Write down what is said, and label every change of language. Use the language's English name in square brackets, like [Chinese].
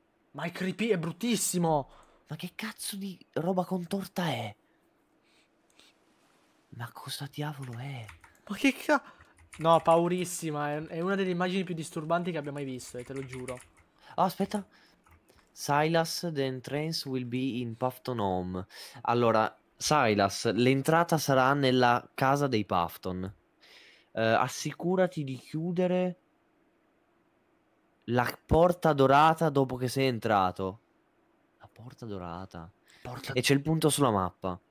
[Italian] Ma è creepy, è bruttissimo. Ma che cazzo di roba contorta è? Ma cosa diavolo è? Ma che cazzo? No, paurissima, è una delle immagini più disturbanti che abbia mai visto, te lo giuro. Oh, aspetta. [English] Silas, the entrance will be in Pafton Home. [Italian] Allora, Silas, l'entrata sarà nella casa dei Pafton. Assicurati di chiudere la porta dorata dopo che sei entrato. La porta dorata. Porta... E c'è il punto sulla mappa.